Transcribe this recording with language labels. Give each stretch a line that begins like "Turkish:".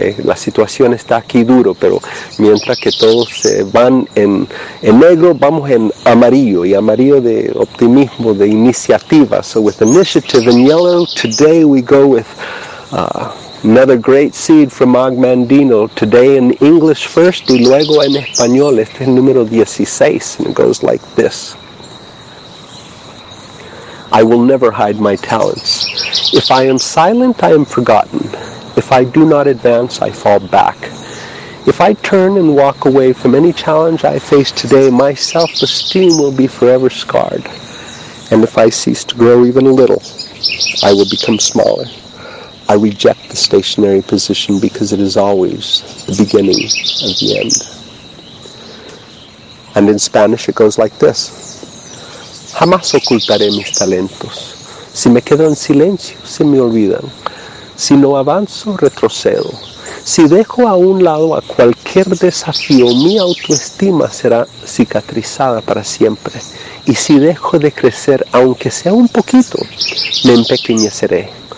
Spanish: La situación está aquí duro, pero mientras que todos van en negro, vamos en amarillo, y amarillo de optimismo, de iniciativa.
English: So with initiative in yellow, today we go with another great seed from Og Mandino. Today in English first
Spanish: y luego en español. Este es el número 16
English: and it goes like this. I will never hide my talents. If I am silent, I am forgotten. If I do not advance, I fall back. If I turn and walk away from any challenge I face today, my self-esteem will be forever scarred. And if I cease to grow even a little, I will become smaller. I reject the stationary position because it is always the beginning of the end. And in Spanish it goes like this.
Spanish: Jamás ocultaré mis talentos. Si me quedo en silencio, se me olvidan. Si no avanzo, retrocedo. Si dejo a un lado a cualquier desafío, mi autoestima será cicatrizada para siempre. Y si dejo de crecer, aunque sea un poquito, me empequeñeceré.